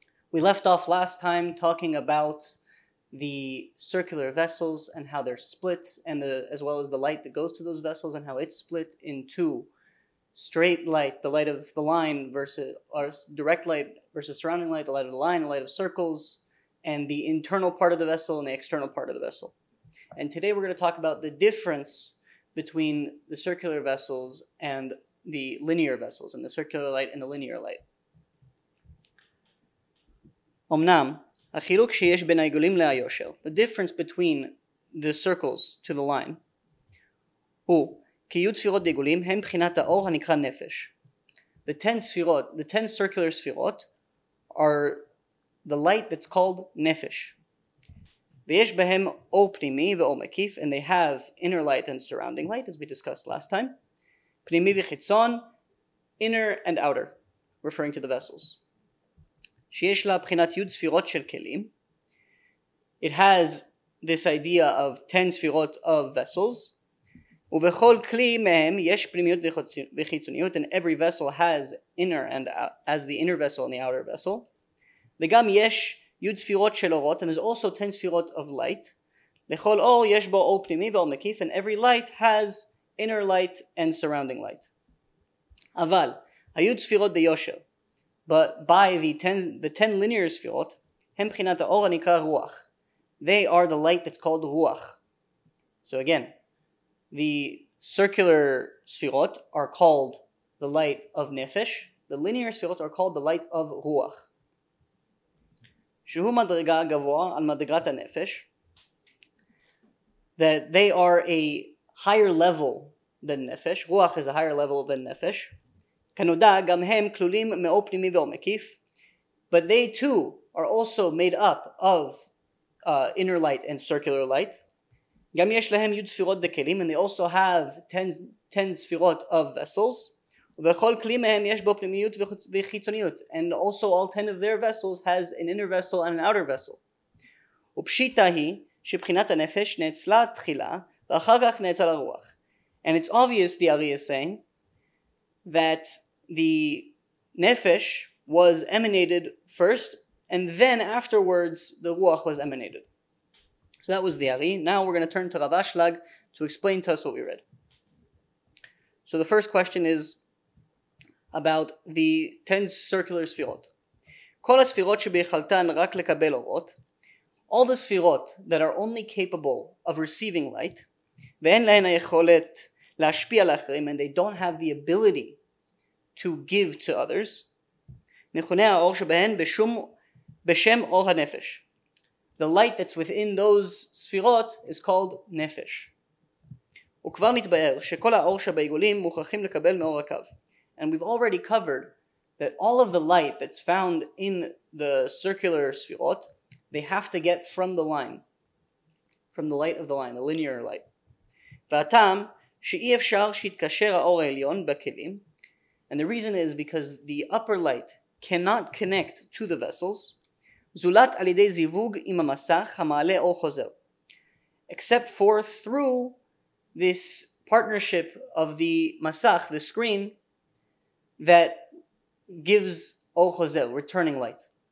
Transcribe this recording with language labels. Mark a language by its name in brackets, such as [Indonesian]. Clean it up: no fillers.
[English] We left off last time talking about the circular vessels and how they're split, and as well as the light that goes to those vessels and how it's split in two: straight light, the light of the line, direct light versus surrounding light, the light of the line, the light of circles, and the internal part of the vessel and the external part of the vessel. And today we're going to talk about the difference between the circular vessels and the linear vessels, and the circular light and the linear light. [Hebrew] Omnam, החילוק שיש בין העיגולים ליושר, [English] the difference between the circles to the line, [Hebrew] הוא קיוט ספירות דיגולים הם בחינת האור הנקרא נפש. [English] The ten circular spherot, are the light that's called nefesh. [Hebrew] ויש בהם אור פנימי ואור מקיף, [English] and they have inner light and surrounding light, as we discussed last time. [Hebrew] פנימי וחיצון, [English] inner and outer, referring to the vessels. [Hebrew] שיש לה בחינת יוד ספירות של כלים. [English] It has this idea of 10 ספירות of vessels. [Hebrew] ובכל כלי מהם יש פנימיות וחיצוניות, [English] and every vessel has inner and as the inner vessel and the outer vessel. [Hebrew] וגם יש יוד ספירות של אורות, [English] and there's also 10 ספירות of light. [Hebrew] לכל אור יש בו אור פנימי ואור מקיף, [English] and every light has inner light and surrounding light. [Hebrew] אבל היוד ספירות דיושר, [English] but by the ten linear spherot, [Hebrew] הם בחינת האור הנקרא רוח. [English] They are the light that's called רוח. So again, the circular spherot are called the light of nefesh. The linear spherot are called the light of רוח. [Hebrew] שהוא מדרגה גבוה על מדרגת הנפש. [English] That they are a higher level than nefesh. רוח is a higher level than nefesh. [Hebrew] כנודע גם הם כלולים מאור פנימי ואור מקיף, [English] but they too are also made up of inner light and circular light. [Hebrew] גם יש להם יוד ספירות דקלים, [English] and they also have 10 ספירות of vessels. [Hebrew] ובכל כלי מהם יש בו פנימיות וחיצוניות, [English] and also all 10 of their vessels has an inner vessel and an outer vessel. [Hebrew] ופשיטה היא שבחינת הנפש נאצלה תחילה ואחר כך נאצל הרוח. [English] And it's obvious, the Ari is saying, that the nefesh was emanated first, and then afterwards the ruach was emanated. So that was the Ari. Now we're going to turn to Rav Ashlag to explain to us what we read. So the first question is about the 10 circular sefirot. [Hebrew] Kol ha-sefirot shebichaltan rak lekabel orot, [English] all the sefirot that are only capable of receiving light, [Hebrew] ve'en lehen ha-yecholet la'ashpi al acharim, [English] and they don't have the ability to give to others, [Hebrew] מכונה האור שבהן בשם אור הנפש. [English] The light that's within those ספירות is called נפש. [Hebrew] וכבר מתבאר שכל האור שבעיגולים מוכרחים לקבל מאור הקו. [English] And we've already covered that all of the light that's found in the circular ספירות, they have to get from the line, from the light of the line, the linear light. [Hebrew] והטעם שאי אפשר שיתקשר האור העליון בכלים. [English] And the reason is because the upper light cannot connect to the vessels, [Hebrew] zulat al yedei zivug im hamasach hama'ale or chozer, [English] except for through this partnership of the masach, the screen, that gives or chozer, returning light.